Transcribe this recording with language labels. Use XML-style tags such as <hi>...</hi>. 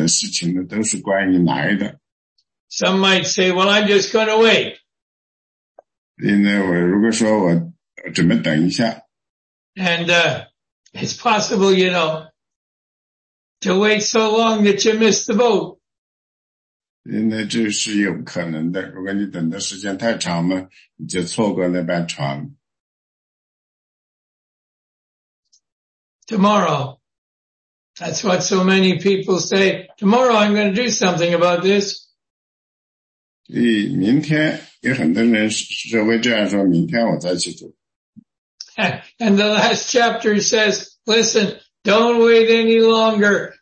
<zh>主耶稣基督呢，他快快，他会快来，我们呢要快到他那里去，所以这所有的事情呢，都是关于来的。</zh> <en>Some might say, well, I'm just going to wait.</en> <zh>因为我如果说我怎么等一下。</zh> <en>And it's possible, you know, to wait so long that you miss the boat.</en> <zh>因为这是有可能的，如果你等的时间太长嘛，你就错过那班船。</zh> <en>Tomorrow. That's what so many people say. Tomorrow I'm going to do something about this.</en> <zh>所以明天有很多人是会这样说，明天我再去做。</zh> <en>And the last chapter says, listen, don't wait any longer.</en>